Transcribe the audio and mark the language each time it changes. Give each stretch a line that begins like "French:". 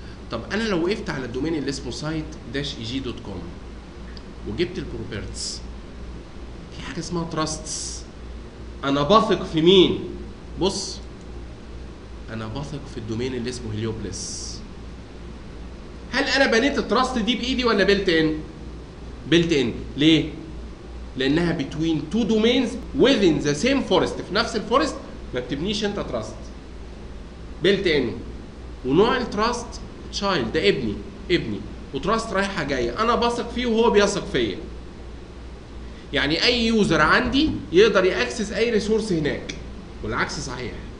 Arabic: طب انا لو وقفت على الدومين اللي اسمه سايت داش اي جي دوت كوم وجبت البروبرتس، في حاجه اسمها تراستس. انا بثق في مين؟ بص انا بثق في الدومين اللي اسمه هيليوبلس. هل انا بنيت التراست دي بايدي ولا بلت ان؟ بلت ان. ليه؟ لانها
English: between two domains within the same forest.
Arabic: في نفس الفورست ما بتبنيش انت تراست. بيلت ان. ونوع التراست تشايلد ده ابني ابني وتراست رايحه جايه، انا بثق فيه وهو بيثق فيا. يعني اي يوزر عندي يقدر ياكسس اي ريسورس هناك والعكس صحيح.